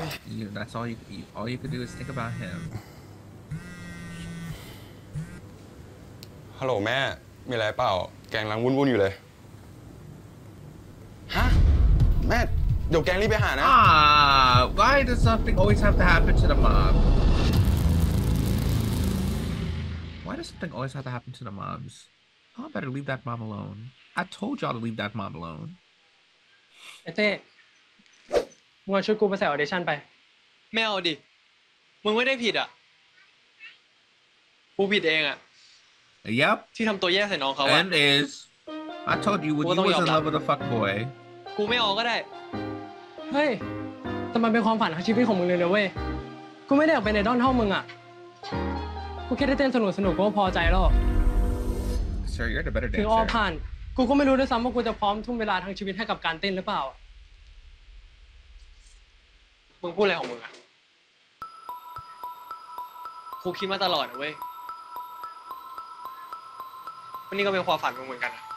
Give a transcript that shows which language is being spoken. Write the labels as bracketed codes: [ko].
[en] You, that's all you, you all you could do is think about him. [th] ฮัลโหลแม่มีอะไรเปล่าแกงล้างวุ่นๆอยู่เลยฮะแม่เดี๋ยวแกงรีบไปหานะ [en] Why does something always have to happen to the mom? Why does something always have to happen to the moms? Oh, I better leave that mom alone. I told y'all to leave that mom alone. [th] เต้มึงช่วยกูไปใส่ออเดชั่นไปไม่เอาดิมึงไม่ได้ผิดอ่ะกูผิดเองอ่ะ [en] Yep. [th] ที่ทำตัวแย่ใส่น้องเขา [en] อะ And is I told you when you was in love with a fuck boy. [th] กูไม่ออกก็ได้เฮ้ยทำไมเป็นความฝันของชีวิตของมึงเลยเลยเว้ยกูไม่ได้อยากไปในดอนเท่ามึงอะกูแค่ได้เต้นสนุกสนุกก็พอใจแล้ว [en] Sir, you're the better dancer. [th] ถึงออกผ่านกูก็ไม่รู้ด้วยซ้ำว่ากูจะพร้อมทุ่มเวลาทั้งชีวิตให้กับการเต้นหรือเปล่ามึงพูดอะไรของมึงอะกูคิดมาตลอดเว้ยนี่ก็เป็นความฝันของเหมือนกัน